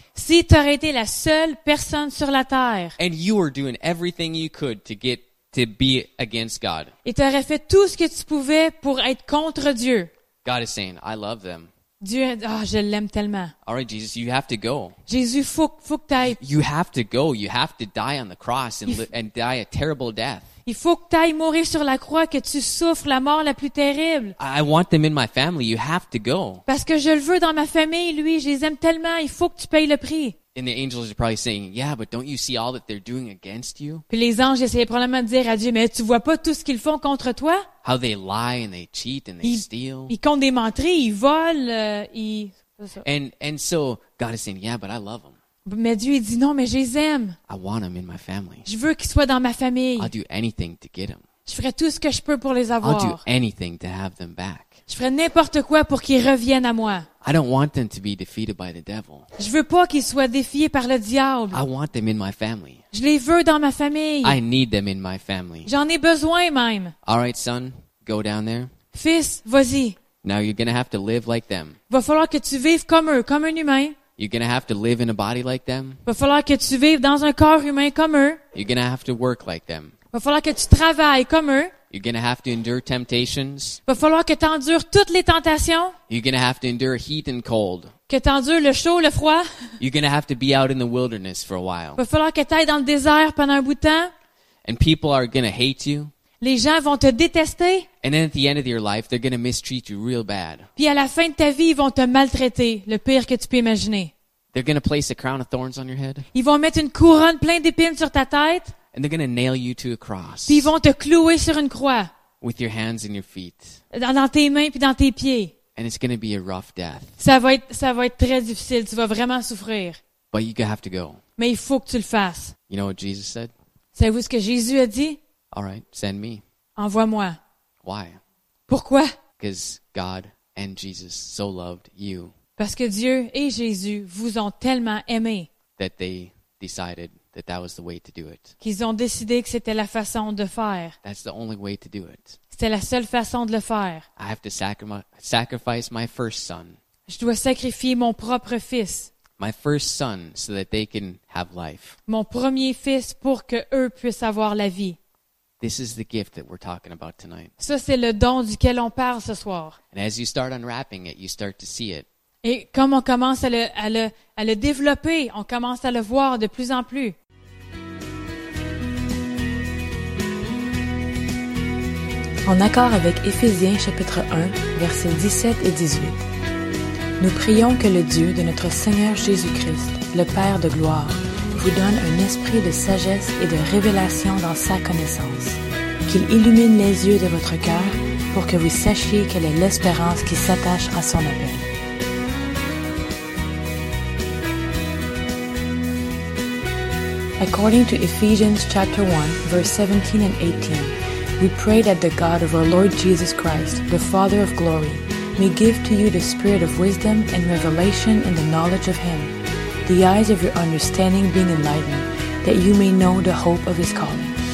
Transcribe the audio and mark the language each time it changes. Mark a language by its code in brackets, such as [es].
[fr] si tu aurais été la seule personne sur la terre, [en] and you were doing everything you could to get to be against God, [fr] et tu aurais fait tout ce que tu pouvais pour être contre Dieu, [en] God is saying, I love them. [fr] Dieu, oh, je l'aime tellement. [en] All right, Jesus, you have to go. [fr] Jésus, faut que t'ailles. [en] You have to go. You have to die on the cross and die a terrible death. [fr] Il faut que t'ailles mourir sur la croix, que tu souffres la mort la plus terrible. [en] I want them in my family. You have to go. [fr] Parce que je le veux dans ma famille, lui. Je les aime tellement. Il faut que tu payes le prix. [en] And the angels are probably saying, yeah, but don't you see all that they're doing against you? [fr] Puis les anges essayaient probablement de dire à Dieu, mais tu vois pas tout ce qu'ils font contre toi? [en] How they lie and they cheat and they steal. [fr] Ils comptent des mentries, ils volent, ils... [en] And so, God is saying, yeah, but I love them. [fr] Mais Dieu, il dit, non, mais je les aime. [en] I want them in my family. [fr] Je veux qu'ils soient dans ma famille. [en] I'll do anything to get them. [fr] Je ferai tout ce que je peux pour les avoir. [en] I'll do anything to have them back. [fr] Je ferai n'importe quoi pour qu'ils reviennent à moi. [en] I don't want them to be defeated by the devil. [fr] Je veux pas qu'ils soient défiés par le diable. [en] I want them in my family. [fr] Je les veux dans ma famille. [en] I need them in my family. [fr] J'en ai besoin même. [en] All right, son, go down there. [fr] Fils, vas-y. [en] Now you're gonna have to live like them. [fr] Va falloir que tu vives comme eux, comme un humain. [en] You're gonna have to live in a body like them. [fr] Va falloir que tu vives dans un corps humain comme eux. [en] You're gonna have to work like them. [fr] Va falloir que tu travailles comme eux. [en] You're gonna have to endure temptations. [fr] Va falloir que t'endures toutes les tentations. [en] You're gonna have to endure heat and cold. [fr] Que t'endures le chaud, le froid. [en] You're gonna have to be out in the wilderness for a while. [fr] Va falloir que t'ailles dans le désert pendant un bout de temps. [en] And people are gonna hate you. [fr] Les gens vont te détester. [en] And then at the end of your life, they're gonna mistreat you real bad. [fr] Puis à la fin de ta vie, ils vont te maltraiter, le pire que tu peux imaginer. [en] They're gonna place a crown of thorns on your head. [fr] Ils vont mettre une couronne pleine d'épines sur ta tête. [en] And they're going to nail you to a cross. [fr] Puis ils vont te clouer sur une croix. [en] With your hands and your feet. [fr] Dans tes mains puis dans tes pieds. [en] And it's going to be a rough death. [fr] Ça va être très difficile. Tu vas vraiment souffrir. [en] But you have to go. [fr] Mais il faut que tu le fasses. [en] You know what Jesus said? [fr] Savez-vous ce que Jésus a dit? [en] All right, send me. [fr] Envoie-moi. [en] Why? [fr] Pourquoi? [en] Because God and Jesus so loved you. [fr] Parce que Dieu et Jésus vous ont tellement aimé. [en] That they decided that was the way to do it. [fr] Qu'ils ont décidé que c'était la façon de faire. [en] That's the only way to do it. [fr] C'était la seule façon de le faire. [en] I have to sacrifice my first son. [fr] Je dois sacrifier mon propre fils. [en] My first son, so that they can have life. [fr] Mon premier fils pour que eux puissent avoir la vie. [en] This is the gift that we're talking about tonight. [fr] Ça c'est le don duquel on parle ce soir. [en] And as you start unwrapping it, you start to see it. [fr] Et comme on commence à le développer, on commence à le voir de plus en plus. En accord avec Éphésiens chapitre 1, versets 17 et 18, nous prions que le Dieu de notre Seigneur Jésus-Christ, le Père de gloire, vous donne un esprit de sagesse et de révélation dans sa connaissance, qu'il illumine les yeux de votre cœur pour que vous sachiez quelle est l'espérance qui s'attache à son appel. [en] According to Ephesians chapter 1, verse 17 and 18, we pray that the God of our Lord Jesus Christ, the Father of glory, may give to you the spirit of wisdom and revelation in the knowledge of Him, the eyes of your understanding being enlightened, that you may know the hope of His calling.